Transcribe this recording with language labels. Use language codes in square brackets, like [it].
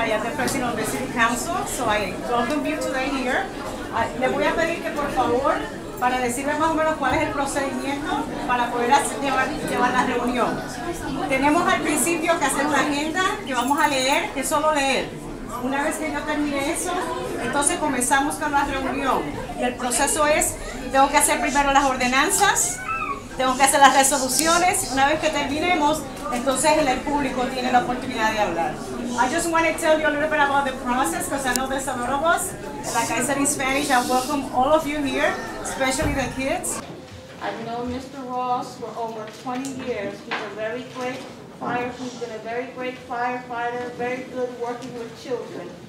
[en] I am the president of the city council, so I welcome you today here. [es] Le voy a pedir que por favor, para decirme más o menos cuál es el procedimiento para poder llevar la reunión. Tenemos al principio que hacer una agenda que vamos a leer, que es solo leer. Una vez que yo termine eso, entonces comenzamos con la reunión. Y el proceso es, tengo que hacer primero las ordenanzas, tengo que hacer las resoluciones. Una vez que terminemos, entonces el público tiene la oportunidad de hablar. [en] I just want to tell you a little bit about the process, because I know there's a lot of us. Like I said in Spanish, I welcome all of you here, especially the kids. I've known Mr. Ross for over 20 years. He's a very great firefighter, very good working with children.